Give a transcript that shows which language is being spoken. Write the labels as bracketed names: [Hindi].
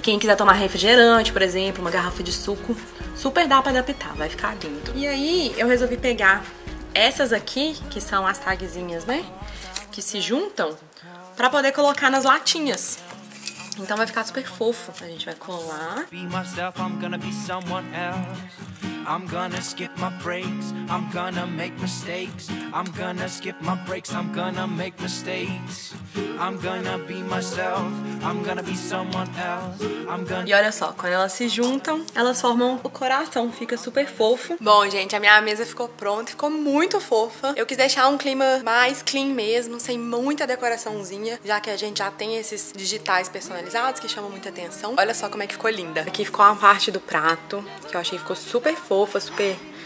[Portuguese] Quem quiser tomar refrigerante, por exemplo, uma garrafa de suco, super dá pra adaptar, vai ficar lindo. E aí, eu resolvi pegar essas aqui, que são as tagzinhas, né? Que se juntam, pra poder colocar nas latinhas. Então vai ficar super fofo. A gente vai colar. [English] Be myself, I'm gonna be someone else. I'm gonna skip my breaks. I'm gonna make mistakes. I'm gonna skip my breaks. I'm gonna make mistakes. I'm gonna be myself. I'm gonna be someone else. I'm gonna... [Portuguese] E olha só, quando elas se juntam, elas formam o coração. Fica super fofo. Bom, gente, a minha mesa ficou pronta. Ficou muito fofa. Eu quis deixar um clima mais clean mesmo, sem muita decoraçãozinha, já que a gente já tem esses digitais personalizados que chamam muita atenção. Olha só como é que ficou linda. Aqui ficou a parte do prato, que eu achei que ficou super fofa, super...